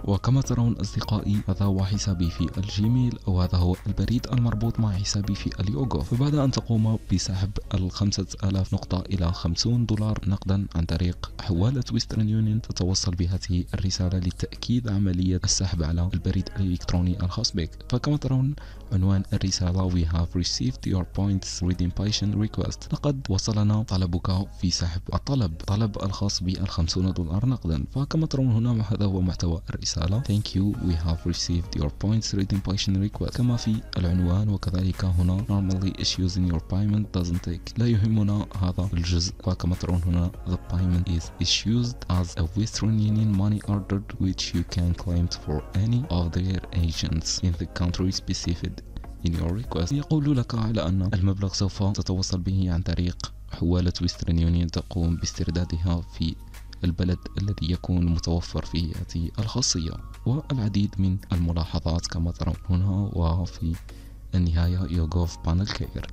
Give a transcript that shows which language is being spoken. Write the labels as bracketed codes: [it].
[ar] وكما ترون أصدقائي هذا هو حسابي في الجيميل، أو هذا هو البريد المربوط مع حسابي في اليوغو. فبعد أن تقوم بسحب 5000 نقطة إلى $50 نقدا عن طريق حوالة ويسترن يونيون، تتوصل بهذه الرسالة لتأكيد عملية السحب على البريد الإلكتروني الخاص بك. فكما ترون عنوان الرسالة: [en] We have received your points redeem patient request. [ar] لقد وصلنا طلبك في سحب الطلب، طلب الخاص بالخمسون دولار نقدا. فكما ترون هنا هذا هو محتوى الرسالة: [en] Thank you, we have received your points redeem patient request. [ar] كما في العنوان وكذلك هنا: [en] Normally issues in your payment doesn't take. [ar] لا يهمنا هذا الجزء. وكما ترون هنا: [en] The payment is issued as a Western Union money order which you can claim for any of their agents in the country specified in your request. [ar] يقول لك على أن المبلغ سوف تتوصل به عن طريق حوالة Western Union تقوم باستردادها في البلد الذي يكون متوفر فيه هذه الخاصية، والعديد من الملاحظات كما ترون هنا، وفي النهاية يوغوف بانل كير.